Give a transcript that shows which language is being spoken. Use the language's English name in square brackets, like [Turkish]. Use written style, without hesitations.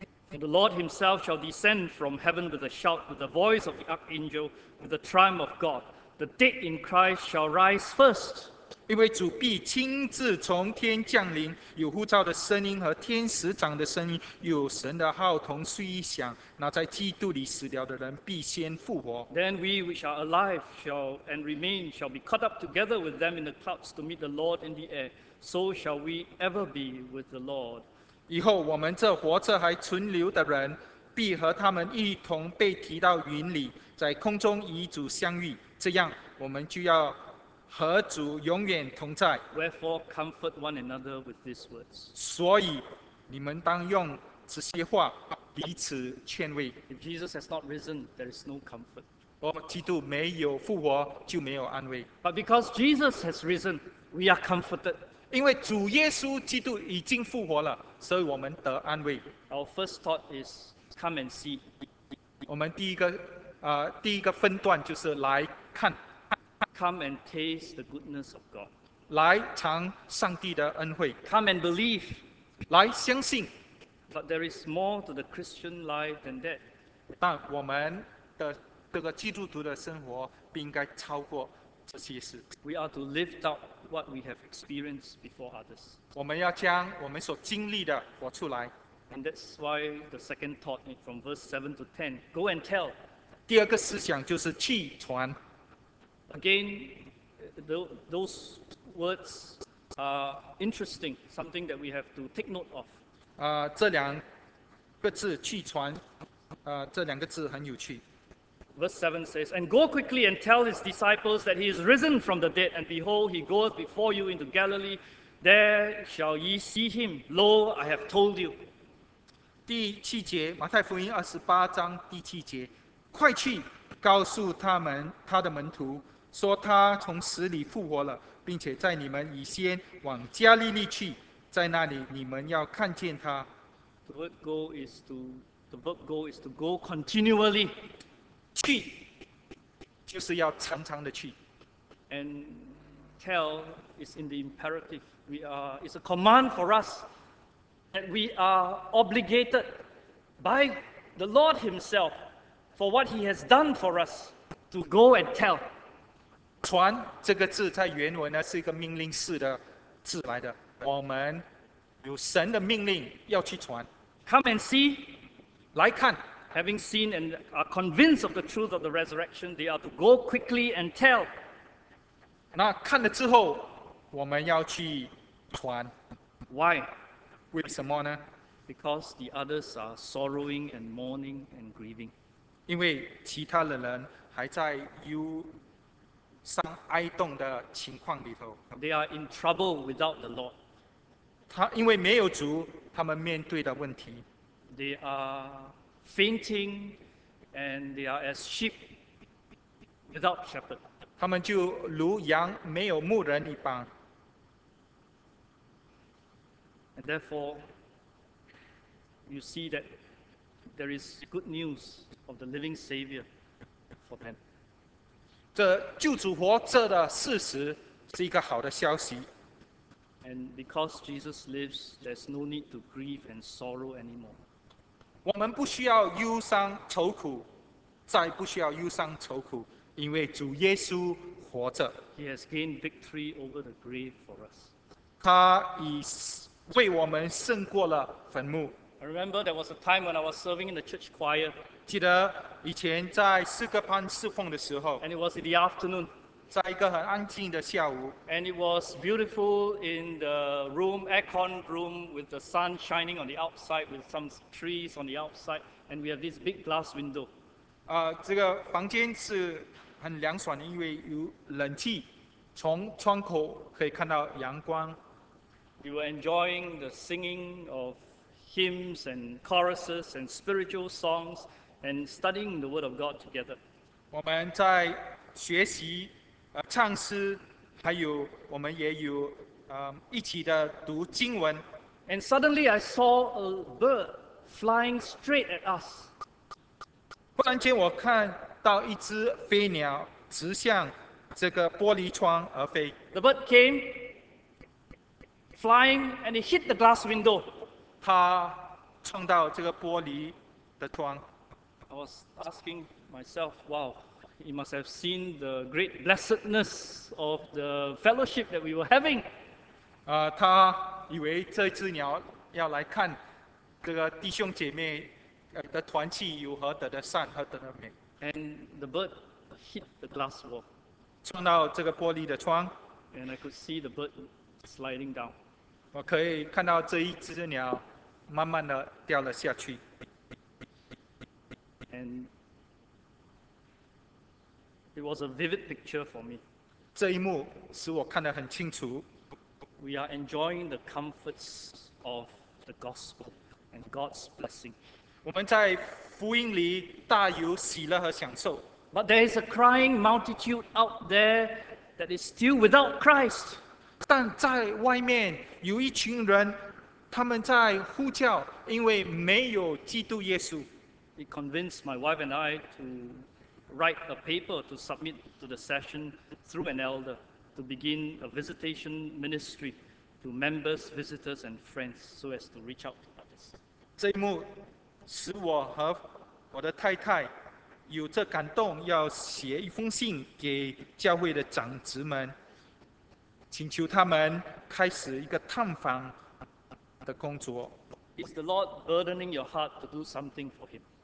[English] The Lord himself shall descend from heaven with a shout, with the voice of the archangel, with the triumph of God. The dead in Christ shall rise first. [Chinese] 因为主必亲自从天降临，有呼召的声音和天使长的声音，有神的号同虽一响，那在基督里死了的人必先复活。 [English] Then we which are alive shall and remain shall be caught up together with them in the clouds to meet the Lord in the air. So shall we ever be with the Lord. [Chinese] 以后我们这活着还存留的人，必和他们一同被提到云里，在空中与主相遇。这样，我们就要和主永远同在。 [English] Wherefore comfort one another with these words. [Chinese] 所以，你们当用这些话彼此劝慰。 [English] If Jesus has not risen, there is no comfort. [Chinese] 若基督没有复活，就没有安慰。 [English] But because Jesus has risen, we are comforted. [Chinese] 因为主耶稣基督已经复活了，所以我们得安慰。 [English] Our first thought is come and see. [Chinese] 我们第一个分段就是来看。 [English] Come and taste the goodness of God. [Chinese] 来尝上帝的恩惠。 [English] Come and believe. [Chinese] 来相信。 [English] But there is more to the Christian life than that. [Chinese] 但我们的这个基督徒的生活不应该超过这些事。 [English] We are to live out what we have experienced before others. [Chinese] 我们要将我们所经历的活出来。 [English] And that's why the second thought from verse 7 to 10, go and tell. [Chinese] 第二个思想就是去传。 [English] Again, those words are interesting, something that we have to take note of. [Chinese] 这两个字去传，这两个字很有趣。 [English] Verse 7 says, And go quickly and tell his disciples that he is risen from the dead, and behold, he goeth before you into Galilee. There shall ye see him. Lo, I have told you. [Chinese] 第七节，马太福音二十八章第七节，快去告诉他们，他的门徒，说他从死里复活了，并且在你们以先往加利利去，在那里你们要看见他。 [English] The verb go is to go continually. [Chinese] 去，就是要常常的去。 [English] And tell is in the imperative. It's a command for us that we are obligated by the Lord Himself for what He has done for us to go and tell. [Chinese] 传这个字在原文呢是一个命令式的字来的。我们有神的命令要去传。 [English] Come and see. [Chinese] 来看。 [English] Having seen and are convinced of the truth of the resurrection, they are to go quickly and tell. [Chinese] 那看了之后，我们要去传。 [English] Why? [Chinese] 为什么呢？ [English] Because the others are sorrowing and mourning and grieving. [Chinese] 因为其他的人还在忧伤哀恸的情况里头。 [English] They are in trouble without the Lord. [Chinese] 他因为没有主，他们面对的问题。 [English] They are fainting, and they are as sheep without shepherd. [Chinese] 他们就如羊没有牧人一般。 [English] And therefore, you see that there is good news of the living Savior for them. [Chinese] 这救主活着的事实是一个好的消息。 [English] And because Jesus lives, there's no need to grieve and sorrow anymore. [Chinese] 我们不需要忧伤愁苦，再不需要忧伤愁苦，因为主耶稣活着。 [English] He has gained victory over the grave for us. [Chinese] 他已为我们胜过了坟墓。 [English] I remember there was a time when I was serving in the church choir. [Chinese] 记得以前在诗歌班侍奉的时候。 [English] And it was in the afternoon. [Chinese] 在一个很安静的下午。 [English] And it was beautiful in the room, aircon room, with the sun shining on the outside, with some trees on the outside, and we have this big glass window. [Chinese] 这个房间是很凉爽的，因为有冷气，从窗口可以看到阳光。 [English] We were enjoying the singing of hymns and choruses and spiritual songs and studying the Word of God together. [Chinese] 我们在学习唱诗，还有我们也有一起的读经文。 [English] And suddenly I saw a bird flying straight at us. [Chinese] 忽然间我看到一只飞鸟直向这个玻璃窗而飞。 [English] The bird came flying and it hit the glass window. [Chinese] 它撞到这个玻璃的窗。 [English] I was asking myself, wow. You must have seen the great blessedness of the fellowship that we were having. [Chinese] 他以为这只鸟要来看这个弟兄姐妹的团契有何等的善，何等的美。 [English] And the bird hit the glass wall. [Chinese] 撞到这个玻璃的窗。 [English] And I could see the bird sliding down. [Chinese] 我可以看到这一只鸟慢慢的掉了下去。 [English] And it was a vivid picture for me. [Chinese] 这一幕使我看得很清楚。 [English] We are enjoying the comforts of the gospel and God's blessing. [Chinese] 我们在福音里大有喜乐和享受。 [English] But there is a crying multitude out there that is still without Christ. [Chinese] 但在外面有一群人，他们在呼叫，因为没有基督耶稣。 [English] It convinced my wife and I to write a paper to submit to the session through an elder to begin a visitation ministry to members, visitors, and friends so as to reach out to others. [Chinese] 这一幕使我和我的太太有这感动，要写一封信给教会的长子们，请求他们开始一个探访的工作。 [English] Is the Lord burdening your heart to do something for Him?